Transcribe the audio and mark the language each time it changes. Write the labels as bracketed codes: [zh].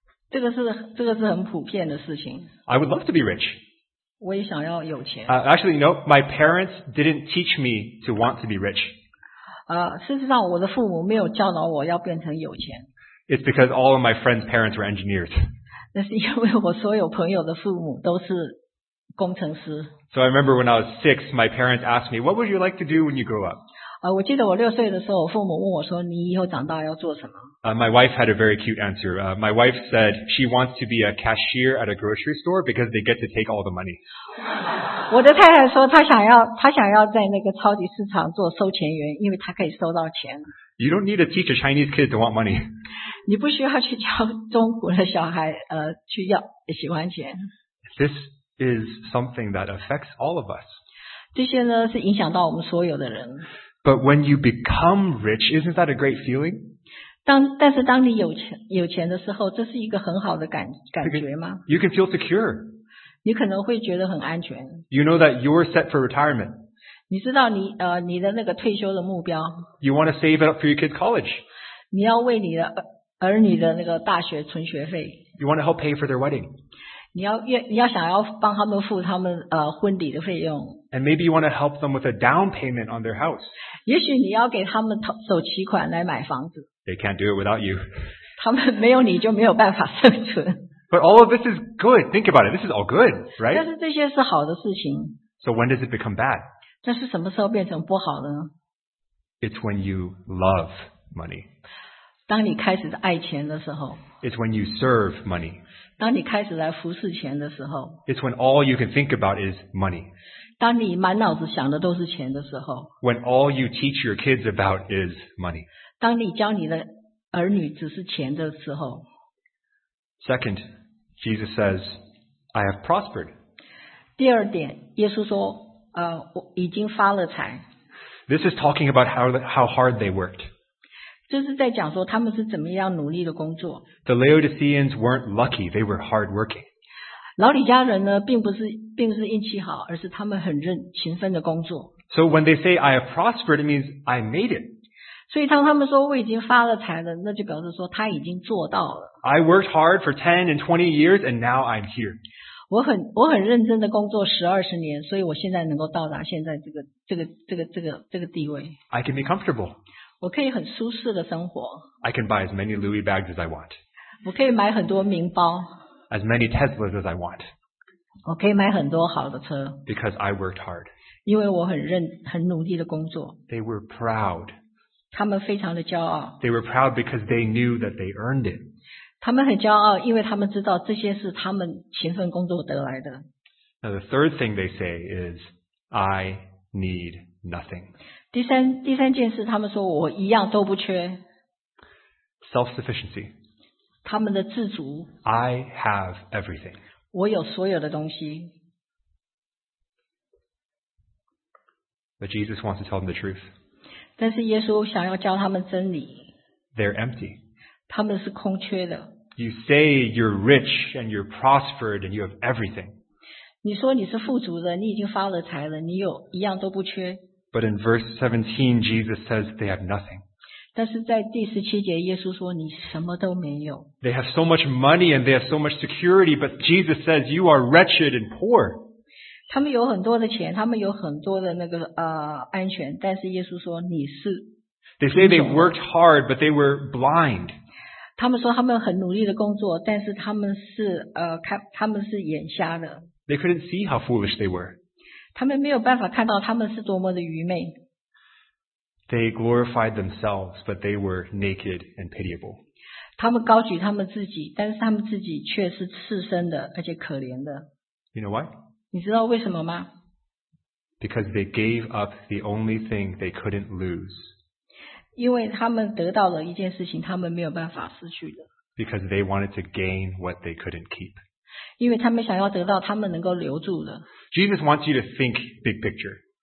[zh] 这个是很普遍的事情。 [en] I would love to be rich. [zh] 我也想要有钱。 [en] Actually, you know, my parents didn't teach me to want to be rich. [zh] 事实上我的父母没有教导我要变成有钱。 [en] It's because all of my friends' parents were engineers. [zh] 那是因为我所有朋友的父母都是工程师。 [en] So I remember when I was six, my parents asked me, what would you like to do when you grow up? [zh] 我记得我六岁的时候我父母问我说你以后长大要做什么。 [en] My wife had a very cute answer. My wife said she wants to be a cashier at a grocery store because they get to take all the money. [zh] 我的太太说她想要在那个超级市场做收钱员，因为她可以收到钱。 [en] You don't need to teach a Chinese kid to want money. [zh] 你不需要去教中国的小孩去要喜欢钱。 [en] This is something that affects all of us. [zh] 这些呢是影响到我们所有的人。 [en] But when you become rich, isn't that a great feeling? [zh] 但是当你有钱的时候，这是一个很好的感觉吗？ [en] You can feel secure. [zh] 你可能会觉得很安全。 [en] You know that you're set for retirement. [zh] 你知道你的那个退休的目标。 [en] You want to save it up for your kid's college. [zh] 你要为你的儿女的那个大学存学费。 [en] You want to help pay for their wedding. [zh] 你要想要帮他们付他们婚礼的费用。 [en] And maybe you want to help them with a down payment on their house. [zh] 也许你要给他们首期款来买房子。 [en] They can't do it without you. [zh] 他们没有你就没有办法生存。 [en] But all of this is good. Think about it. This is all good, right? [zh] 但是这些是好的事情。 [en] So when does it become bad? [zh] 但是什么时候变成不好的呢？ [en] It's when you love money. [zh] 当你开始爱钱的时候。 [en] It's when you serve money. [zh] 当你开始来服侍钱的时候。 [en] It's when all you can think about is money. [zh] 当你满脑子想的都是钱的时候。 [en] When all you teach your kids about is money. [zh] 当你教你的儿女只是钱的时候。 [en] Second, Jesus says, I have prospered. [zh] 第二点，耶稣说，我已经发了财。 [en] This is talking about how hard they worked. [zh] 这是在讲说他们是怎么样努力的工作。 [en] The Laodiceans weren't lucky, they were hard working. [zh] 老底家人呢并不是运气好，而是他们很认勤奋的工作。 [en] So when they say I have prospered, it means I made it. [zh] 所以当他们说我已经发了财了，那就表示说他已经做到了。 [en] I worked hard for 10 and 20 years and now I'm here. [zh] 我很认真的工作十二十年，所以我现在能够到达现在这个地位。 [en] I can be comfortable. [zh] 我可以很舒适的生活。 [en] I can buy as many Louis bags as I want. [zh] 我可以买很多名包。 [en] As many Teslas as I want. [zh] 我可以买很多好的车。 [en] Because I worked hard. [zh] 因为我很努力的工作。 [en] They were proud. [zh] 他们非常的骄傲。 [en] They were proud because they knew that they earned it. [zh] 他们很骄傲，因为他们知道这些是他们勤奋工作得来的。 [en] Now the third thing they say is, I need nothing. [zh] 第三件事，他们说我一样都不缺。 [en] Self-sufficiency. [zh] 他们的自足。 [en] I have everything. [zh] 我有所有的东西。 [en] But Jesus wants to tell them the truth. [zh] 但是耶稣想要教他们真理。 [en] They're empty. [zh] 他们是空缺的。 [en] You say you're rich and you're prospered and you have everything. [zh] 你说你是富足的，你已经发了财了，你有一样都不缺。 [en] But in verse 17, Jesus says they have nothing. [zh] 但是在第十七节，耶稣说：“你什么都没有。” [en] They have so much money and they have so much security, but Jesus says you are wretched and poor. [zh] 他们有很多的钱，他们有很多的那个安全，但是耶稣说你是。 [en] They say they worked hard, but they were blind. [zh] 他们说他们很努力的工作，但是他们是他们是眼瞎的。 [en] They couldn't see how foolish they were. [zh] 他们没有办法看到他们是多么的愚昧。 [en] They glorified themselves, but they were naked and pitiable. [zh] 他们高举他们自己，但是他们自己却是赤身的，而且可怜的。 [en] You know why? [zh] 你知道为什么吗？ [en] Because they gave up the only thing they couldn't lose. [zh] 因为他们得到了一件事情，他们没有办法失去的。 [en] Because they wanted to gain what they couldn't keep. [zh] 因为他们想要得到他们能够留住的。 [en] Jesus wants you to think big picture.